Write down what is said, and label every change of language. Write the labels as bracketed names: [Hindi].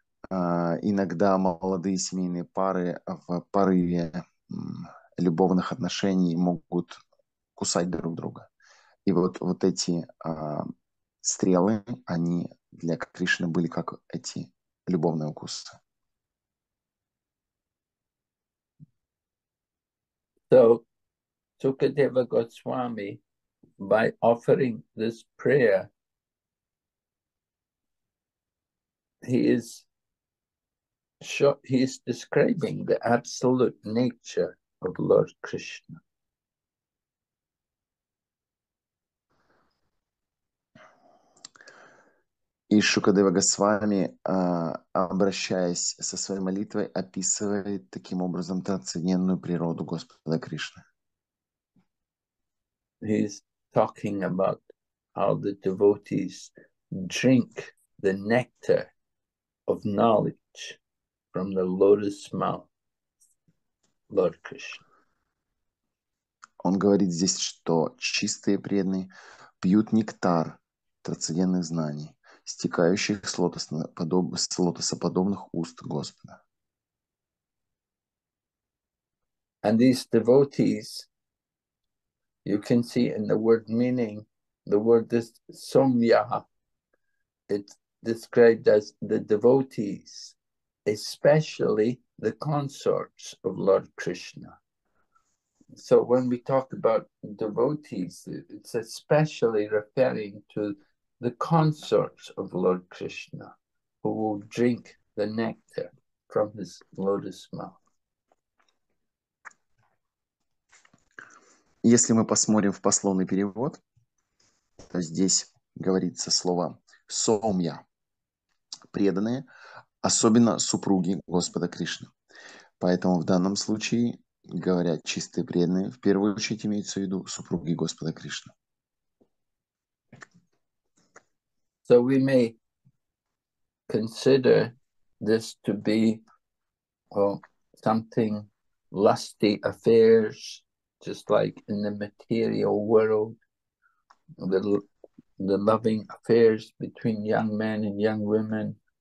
[Russian] Иногда молодые семейные пары в порыве любовных отношений могут кусать друг друга. И вот эти стрелы, они для Кришны были как эти любовные укусы. [English] So Sukadeva Goswami, by offering this prayer, he is describing the absolute nature of Lord Krishna. [Russian] И Шукадева Госвами, обращаясь со своей молитвой, описывает таким образом трансцендентную природу Господа Кришны. [English] He's talking about how the devotees drink the nectar of knowledge from the lotus mouth, Lord Krishna. [Russian] Он говорит здесь, что чистые преданные пьют нектар трансцендентных знаний, стекающих с лотосоподобных уст Господа. [English] And these devotees, you can see in the word meaning, the word is somyaha. It's described as the devotees, especially the consorts of Lord Krishna. So when we talk about devotees, it's especially referring to the consorts of Lord Krishna, who will drink the nectar from his lotus mouth. [Russian] Если мы посмотрим в пословный перевод, то здесь говорится слово «сомья» – преданные, особенно супруги Господа Кришны. Поэтому в данном случае, говорят чистые преданные, в первую очередь имеются в виду супруги Господа Кришны. [English] So we may consider this to be something lusty affairs, just like in the material world, the loving affairs between young men and young women.